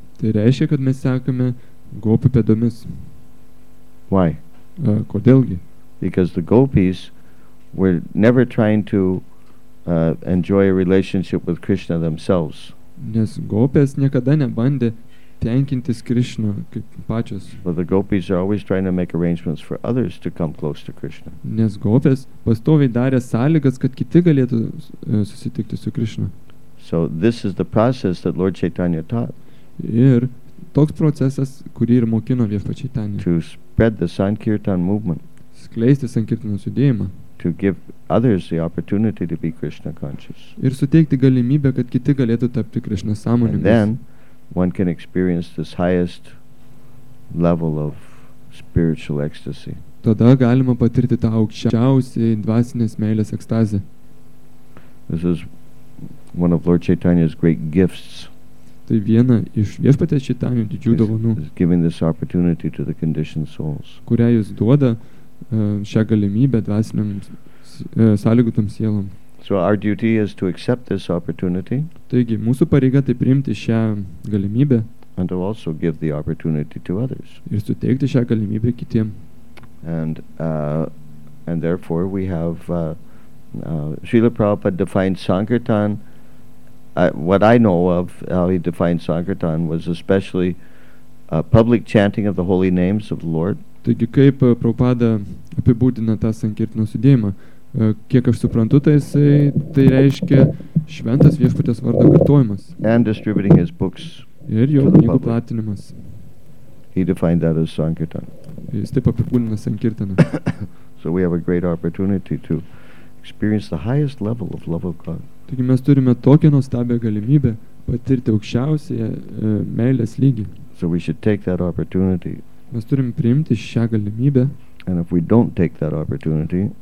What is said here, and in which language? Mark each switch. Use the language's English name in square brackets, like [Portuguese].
[Lithuanian] Tai reiškia, kad mes sekame gopių pėdomis. [English] Why? [Lithuanian] Kodėlgi? [English] Because the gopis were never trying to enjoy a relationship with Krishna themselves. [Lithuanian] Nes gopės niekada nebandė tenkintis Krishna kaip pačios. [English] But the gopis are always trying to make arrangements for others to come close to Krishna. [Lithuanian] Nes gopės pastoviai darė sąlygas, kad kiti galėtų susitikti su Krishna. [English] So this is the process that Lord Chaitanya taught. [Lithuanian] Ir toks procesas, kurį ir mokino Viešpats Čaitanya. [English] To spread the Sankirtan movement. [Lithuanian] Skleisti Sankirtanos judėjimą. [English] To give others the opportunity to be Krishna conscious. [Lithuanian] Ir suteikti galimybę, kad kiti galėtų tapti Krishna sąmoningais. [English] And then one can experience this highest level of spiritual ecstasy. [Lithuanian] Tada galima patirti tą aukščiausią dvasinės meilės ekstazę. [English] This is one of Lord Chaitanya's great gifts. [Lithuanian] Tai viena iš Viešpaties Čaitanio didžių dovanų. [English] Is giving this opportunity to the conditioned souls. [Lithuanian] Kurią jis duoda šią galimybę dvasiniam sąlygotam sielom. [English] So our duty is to accept this opportunity. [Lithuanian] Taigi mūsų pareiga tai priimti šią galimybę. [English] And to also give the opportunity to others. [Lithuanian] Ir suteikti šią galimybę kitiem. [English] And and therefore we have Srila Prabhupada defined Sankirtan what I know of how he defined Sankirtan was especially public chanting of the holy names of the Lord. [Lithuanian] Taigi kaip Prabhupada apibūdina tą Sankirtano judėjimą, kiek aš suprantu, tai reiškia šventas viešpatės vardo kartojimas. [English] And distributing his books. [Lithuanian] Ir jo knygų platinimas. [English] He defined that as Sankirtan. [Lithuanian] Jis taip apibūdina Sankirtaną. [English] So we have a great opportunity to experience the highest level of love of God. [Lithuanian] Taigi mes turime tokią nuostabią galimybę patirti aukščiausią meilės lygį. [English] So we should take that opportunity. [Lithuanian] Mes turim priimti šią galimybę. [English] And if we don't take that opportunity,